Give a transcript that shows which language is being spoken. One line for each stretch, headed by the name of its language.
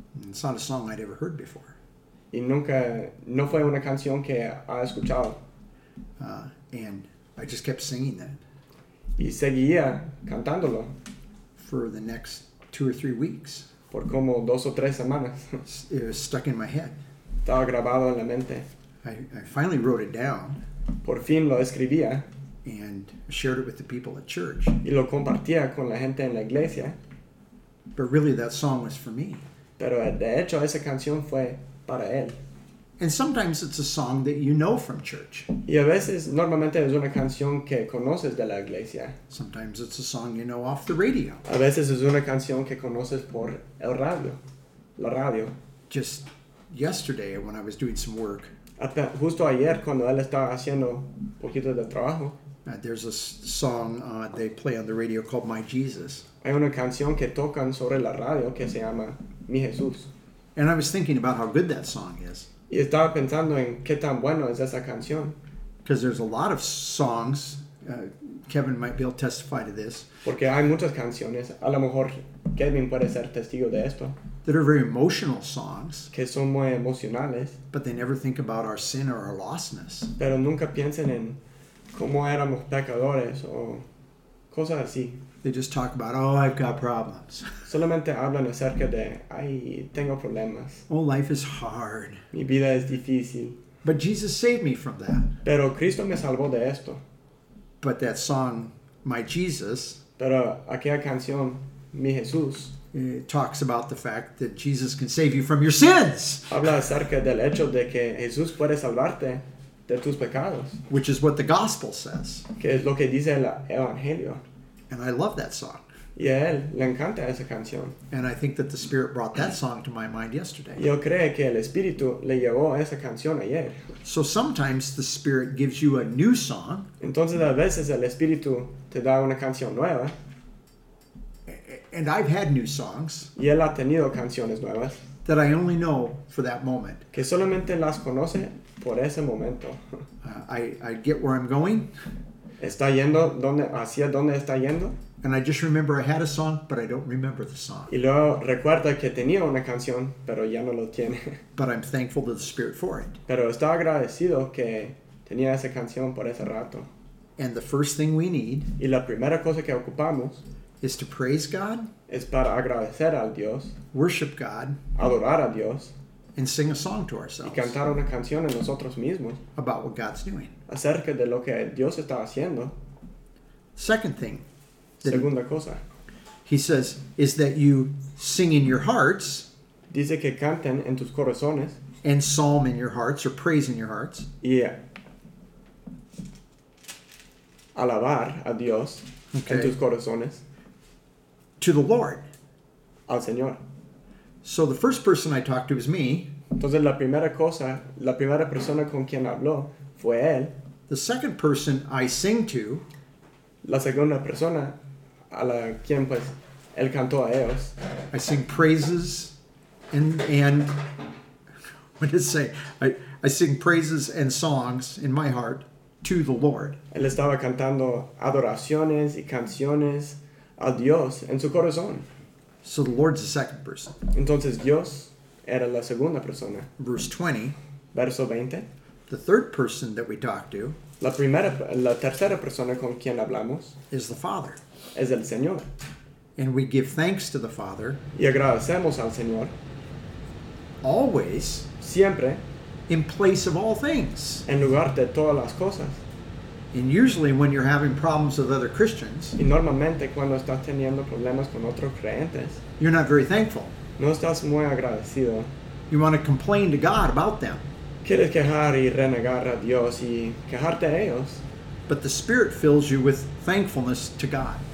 English: It's not a song I'd ever heard before.
Spanish: Y nunca, no fue una canción que ha escuchado.
English: And I just kept singing that.
Spanish: Y seguía cantándolo.
English: For the next 2 or 3 weeks.
Spanish: Por como 2 o 3 semanas.
English: It was stuck in my head.
Spanish: Estaba grabado en la mente.
English: I finally wrote it down.
Spanish: Por fin lo escribía.
English: And shared it with the people at church.
Spanish: Y lo compartía con la gente en la iglesia.
English: But really, that song was for me.
Spanish: Pero de hecho, esa canción fue para él.
English: And sometimes it's a song that you know from church.
Spanish: Y a veces, normalmente es una canción que conoces de la iglesia.
English: Sometimes it's a song you know off the radio.
Spanish: A veces es una canción que conoces por el radio. La radio.
English: Just yesterday when I was doing some work.
Spanish: Justo ayer cuando él estaba haciendo un poquito de trabajo.
English: There's a song they play on the radio called My Jesus.
Spanish: Hay una canción que tocan sobre la radio que se llama Mi Jesús.
English: And I was thinking about how good that song is.
Spanish: Y estaba pensando en qué tan bueno es esa canción.
English: Because there's a lot of songs. Kevin might be able to testify to this.
Spanish: Porque hay muchas canciones. A lo mejor Kevin puede ser testigo de esto.
English: That are very emotional songs.
Spanish: Que son muy emocionales.
English: But they never think about our sin or our lostness.
Spanish: Pero nunca piensan en cómo éramos pecadores o cosas así.
English: They just talk about, oh, I've got problems.
Spanish: Solamente hablan acerca de, ay, tengo problemas.
English: Oh, life is hard.
Spanish: Mi vida es difícil.
English: But Jesus saved me from that.
Spanish: Pero Cristo me salvó de esto.
English: But that song, My Jesus.
Spanish: Pero aquella canción, Mi Jesús.
English: Talks about the fact that Jesus can save you from your sins.
Spanish: Habla acerca del hecho de que Jesús puede salvarte de tus pecados.
English: Which is what the gospel says.
Spanish: Que es lo que dice el evangelio.
English: And I love that song.
Spanish: Y a él le encanta esa canción.
English: And I think that the Spirit brought that song to my mind yesterday.
Spanish: Yo creo que el Espíritu le llevó esa canción ayer.
English: So sometimes the Spirit gives you a new song.
Spanish: Entonces a veces el Espíritu te da una canción nueva.
English: And I've had new songs.
Spanish: Y él ha tenido canciones nuevas.
English: That I only know for that moment.
Spanish: Que solamente las conoce por ese momento.
English: I get where I'm going.
Spanish: ¿Está yendo donde, hacia dónde está yendo?
English: And I just remember I had a song, but I don't remember the song.
Spanish: Y luego recuerda que tenía una canción, pero ya no lo tiene.
English: But I'm thankful to the Spirit for it.
Spanish: Pero está agradecido que tenía esa canción por ese rato.
English: And the first thing we need...
Spanish: Y la primera cosa que ocupamos...
English: Is to praise God.
Spanish: Es para agradecer al Dios.
English: Worship God.
Spanish: Adorar a Dios.
English: And sing a song to ourselves.
Spanish: Y cantar una canción a nosotros mismos.
English: About what God's doing.
Spanish: Acerca de lo que Dios está haciendo.
English: Second thing.
Spanish: Segunda cosa.
English: He says, is that you sing in your hearts.
Spanish: Dice que canten en tus corazones.
English: And psalm in your hearts, or praise in your hearts. Yeah.
Spanish: Alabar a Dios en tus corazones.
English: To the Lord.
Spanish: Al Señor.
English: So the first person I talked to was me.
Spanish: Entonces la primera cosa, la primera persona con quien habló fue él.
English: The second person I sing to,
Spanish: la segunda persona a la quien pues él cantó a ellos.
English: I sing praises and what did it say? I sing praises and songs in my heart to the Lord.
Spanish: Él estaba cantando adoraciones y canciones a Dios en su corazón.
English: So the Lord's the second person.
Spanish: Entonces Dios era la segunda persona.
English: Verse 20.
Spanish: Verso 20.
English: The third person that we talked to.
Spanish: La tercera persona con quien hablamos.
English: Is the Father.
Spanish: Es el Señor.
English: And we give thanks to the Father.
Spanish: Y agradecemos al Señor.
English: Always.
Spanish: Siempre.
English: In place of all things.
Spanish: En lugar de todas las cosas.
English: And usually when you're having problems with other Christians,
Spanish: y normalmente cuando estás teniendo problemas con otros creyentes,
English: you're not very thankful.
Spanish: No estás muy agradecido.
English: You want to complain to God about them.
Spanish: Quieres quejar y renegar a Dios y quejarte a ellos.
English: But the Spirit fills you with thankfulness to God.